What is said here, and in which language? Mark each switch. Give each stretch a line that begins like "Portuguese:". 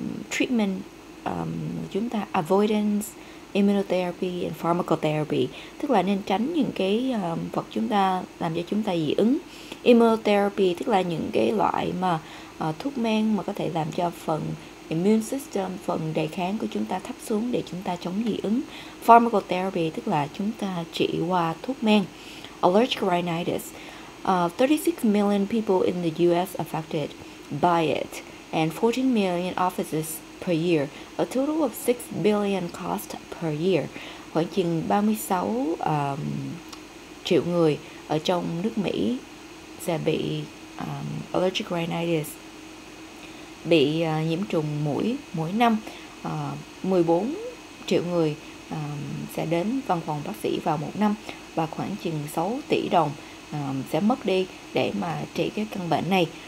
Vietnamese: Treatment, chúng ta avoidance, immunotherapy and pharmacotherapy, tức là nên tránh những cái vật chúng ta làm cho chúng ta dị ứng. Immunotherapy tức là những cái loại mà thuốc men mà có thể làm cho phần immune system, phần đề kháng của chúng ta thấp xuống để chúng ta chống dị ứng. Pharmacotherapy tức là chúng ta trị qua thuốc men.
English: Allergic rhinitis, 36 million people in the US affected by it and 14 million offices per year, a total of 6 billion cost per year.
Vietnamese: Khoảng chừng 36 triệu người ở trong nước Mỹ sẽ bị allergic rhinitis, bị nhiễm trùng mũi mỗi năm. 14 triệu người sẽ đến văn phòng bác sĩ vào một năm, và khoảng chừng 6 tỷ đồng sẽ mất đi để mà trị cái căn bệnh này.